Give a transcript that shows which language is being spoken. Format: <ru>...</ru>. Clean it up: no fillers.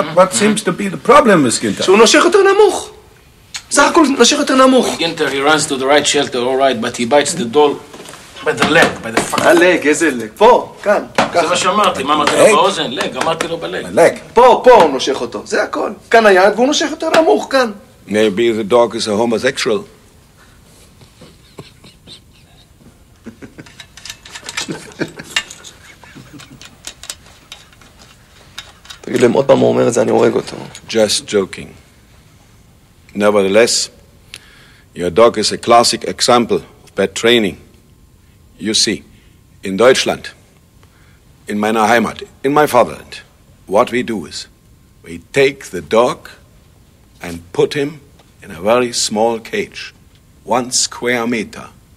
<en>What seems to be the problem, Miss Ginter?</en> <he>שהוא נושך יותר נמוך. סך הכל נושך יותר נמוך.</he> <en>Ginter, he runs to the right shelter, all right, but he bites the door by the leg, by the fucking...</en> <he>הלג, איזה לג. פה, כאן. זה מה שאמרתי, מה אמרתי לו באוזן? לג, אמרתי לו בלג. הלג. פה הוא נושך אותו, זה הכל. כאן היד והוא נושך יותר נמוך, כאן.</he> <en>Maybe the dog is a homosexual.</en> <he>תגיד להם עוד פעם הוא אומר את זה, אני הורג אותו.</he> <en>Just joking. Nevertheless, your dog is a classic example of bad training. You see, in Deutschland,</en> <de>in meiner Heimat,</de> <en>in my fatherland, what we do is, we take the dog and put him in a very small cage, 1 square meter.</en>